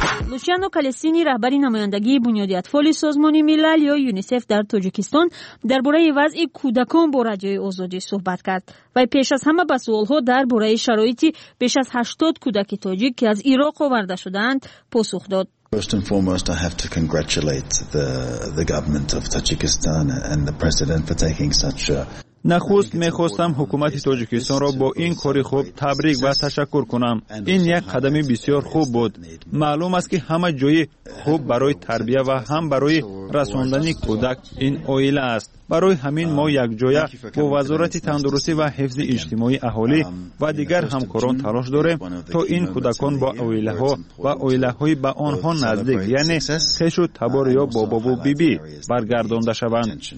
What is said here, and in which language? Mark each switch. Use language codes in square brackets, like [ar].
[fa] لوچیانو کالستینی، رهبری نمایندگی بنیاد اطفال سازمان ملل یا یونیسف در تاجیکستان، درباره وضع کودکان با رادیوی آزادی صحبت کرد و پیش از همه به سوال‌ها درباره شرایط بیش از 80 کودک تاجیک که از عراق آورده شده‌اند پاسخ داد. [en] First and foremost, I have to congratulate the government of Tajikistan and the president for taking such a [fa] نخست می‌خواستم حکومت تاجیکستان را با این کاری خوب تبریک و تشکر کنم. این یک قدمی بسیار خوب بود. معلوم است که همه جای خوب برای تربیت و هم برای رساندن کودک این آیله است. برای همین ما یک جای با وزارت تندرستی و حفظ اجتماعی اهالی و دیگر همکاران تلاش داریم تا این کودکان با آیله ها و آیله های با آنها نزدیک، یعنی خیش و تبار یا بابا و بی بی برگردانده شوند.